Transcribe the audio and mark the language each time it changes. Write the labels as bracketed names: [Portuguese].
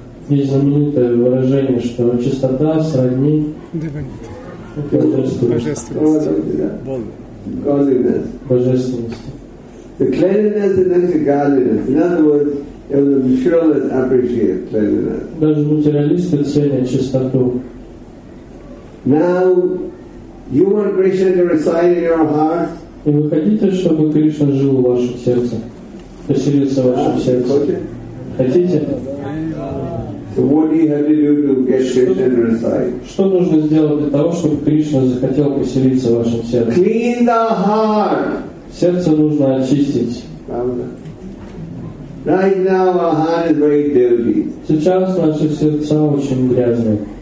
[Russian] Есть знаменитое выражение, что чистота сродни божественности. [English] The cleanliness is next to godliness. In other words, it was a materialist appreciate cleanliness. [Russian] Даже материалисты ценят чистоту. [English] Now, you want Krishna to reside in your heart? [Russian] И вы хотите, чтобы Кришна жил в вашем сердце, поселился в вашем сердце? Хотите? [English] So what do you have to do to get Krishna to reside? [Russian] Что нужно сделать для того, чтобы Кришна захотел поселиться в вашем сердце? [English] Clean the heart. [Russian] Сердце нужно очистить. [English] Right now our heart is very dirty. [Russian] Сейчас наши сердца очень грязные.